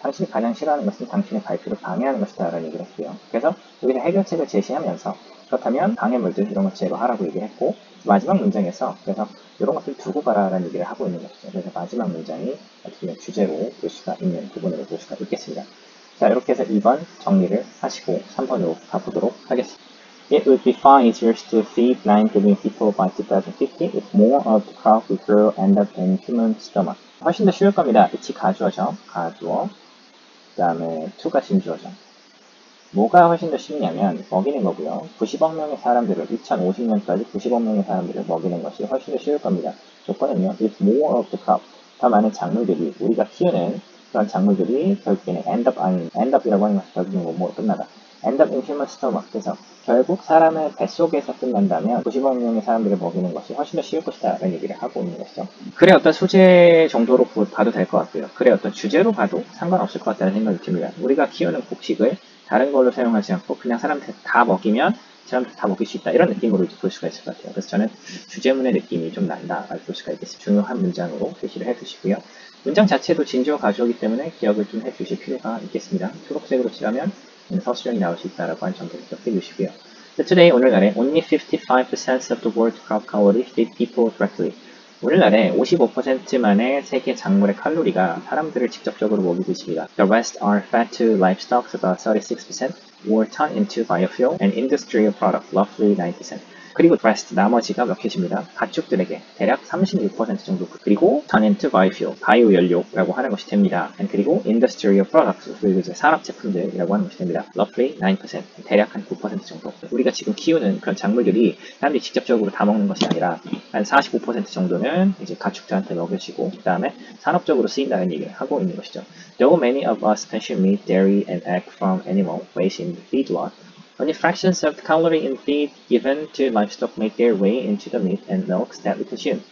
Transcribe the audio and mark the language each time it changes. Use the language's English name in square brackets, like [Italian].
[Korean] 당신이 가장 싫어하는 것은 당신의 발표를 방해하는 것이다라는 얘기를 했고요. 그래서 여기서 해결책을 제시하면서 그렇다면 방해물들 이런 것 제거하라고 얘기했고, 마지막 문장에서 그래서 이런 것들 두고 가라라는 얘기를 하고 있는 거죠. 그래서 마지막 문장이 어떻게 보면 주제로 볼 수가 있는 부분으로 볼 수가 있겠습니다. 자, 이렇게 해서 2번 정리를 하시고 3번으로 가보도록 하겠습니다. [English] It would be far easier to feed 9 billion people by 2050 if more of the crop would grow end up in human stomach. [Korean] 훨씬 더 쉬울 겁니다. it이 가주어죠. 가주어. 그 다음에 to가 진주어죠. 뭐가 훨씬 더 쉽냐면 먹이는 거고요. 90억 명의 사람들을 2050년까지 90억 명의 사람들을 먹이는 것이 훨씬 더 쉬울 겁니다. 조건은요. [English] if more of the crop. [Korean] 더 많은 작물들이 우리가 키우는 그런 작물들이 결국에는 end up, end up이라고 하는 것이 결국은 뭐 끝나다. [English] End up in human stomach. [Korean] 그래서 결국 사람의 뱃속에서 끝난다면 90억 명의 사람들을 먹이는 것이 훨씬 더 쉬울 것이다 라는 얘기를 하고 있는 것이죠. 그래 어떤 소재 정도로 봐도 될 것 같고요. 그래 어떤 주제로 봐도 상관없을 것 같다는 생각이 듭니다. 우리가 키우는 곡식을 다른 걸로 사용하지 않고 그냥 사람들 다 먹이면 사람들 다 먹일 수 있다 이런 느낌으로 이제 볼 수가 있을 것 같아요. 그래서 저는 주제문의 느낌이 좀 난다 라고 볼 수가 있겠습니다. 중요한 문장으로 표시를 해두시고요. 문장 자체도 진주어 가주어이기 때문에 기억을 좀 해주실 필요가 있겠습니다. 초록색으로 칠하면 서술형이 나올 수 있다라고 하는 점도 기억해 주시고요. [English] So today, 오늘날에 only 55% of the world's crop calorie feed people directly. [Korean] 오늘날에 55%만의 세계 작물의 칼로리가 사람들을 직접적으로 먹이고 있습니다. [English] The rest are fed to livestock about 36% or turned into biofuel and industrial products roughly 9%. [Korean] 그리고 rest, 나머지가 몇 개십니다. 가축들에게 대략 36% 정도. 그리고 [English] turn into biofuel, [Korean] 바이오연료라고 하는 것이 됩니다. And 그리고 [English] industrial products, [Korean] 그리고 이제 산업제품들이라고 하는 것이 됩니다. [English] roughly 9%, [Korean] 대략 한 9% 정도. 우리가 지금 키우는 그런 작물들이 사람들이 직접적으로 다 먹는 것이 아니라 한 45% 정도는 이제 가축들한테 먹여지고 그 다음에 산업적으로 쓰인다는 얘기를 하고 있는 것이죠. [English] Though many of us consume meat, dairy, and egg from animal waste in the feedlot, only fractions of the calorie in feed given to livestock make their way into the meat and milks that we consume.